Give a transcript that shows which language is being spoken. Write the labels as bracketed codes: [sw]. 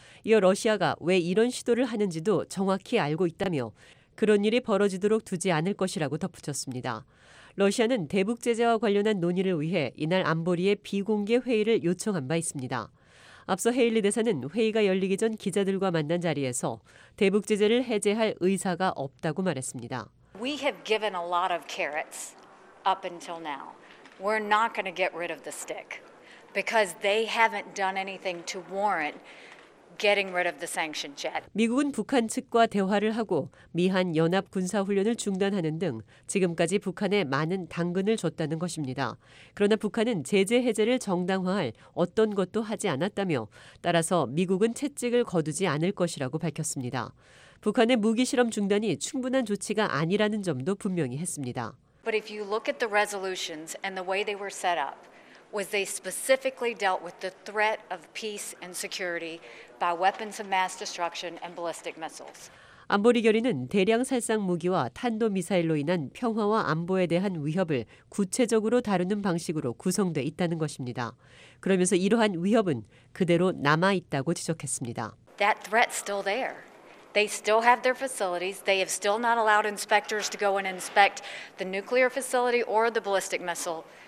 [ko] 이어 러시아가 왜 이런 시도를 하는지도 정확히 알고 있다며 그런 일이 벌어지도록 두지 않을 것이라고 덧붙였습니다. 러시아는 대북 제재와 관련한 논의를 위해 이날 안보리에 비공개 회의를 요청한 바 있습니다. 앞서 헤일리 대사는 회의가 열리기 전 기자들과 만난 자리에서 대북 제재를 해제할 의사가 없다고 말했습니다. [en] We have given a lot of carrots up until now. We're not going to get rid of the stick because they haven't done anything to warrant getting rid of the sanctions yet. [ko] 미국은 북한 측과 대화를 하고 미한 연합 군사 훈련을 중단하는 등 지금까지 북한에 많은 당근을 줬다는 것입니다. 그러나 북한은 제재 해제를 정당화할 어떤 것도 하지 않았다며 따라서 미국은 채찍을 거두지 않을 것이라고 밝혔습니다. 북한의 무기 실험 중단이 충분한 조치가 아니라는 점도 분명히 했습니다. [en] But if you look at the resolutions and the way they were set up, was they specifically dealt with the threat of peace and security by weapons of mass destruction and ballistic missiles. [ko] 안보리 결의는 대량 살상 무기와 탄도 미사일로 인한 평화와 안보에 대한 위협을 구체적으로 다루는 방식으로 구성돼 있다는 것입니다. 그러면서 이러한 위협은 그대로 남아 있다고 지적했습니다. [en] That threat still there. They still have their facilities. They have still not allowed inspectors to go and inspect the nuclear facility or the ballistic missile.